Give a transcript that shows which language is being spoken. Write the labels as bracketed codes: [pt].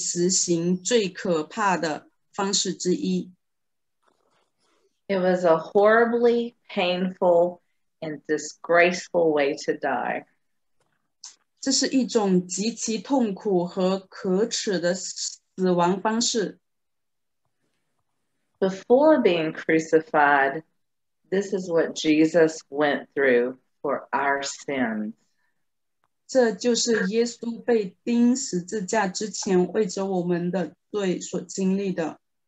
[zh] 被钉死在十字架上是古时代处以死刑最可怕的方式之一。 [en] It was a horribly painful and disgraceful way to die. [zh] 这是一种极其痛苦和可耻的死亡方式。 [en] Before being crucified, this is what Jesus went through for our sins. [zh] 这就是耶稣被钉十字架之前为着我们的罪所经历的。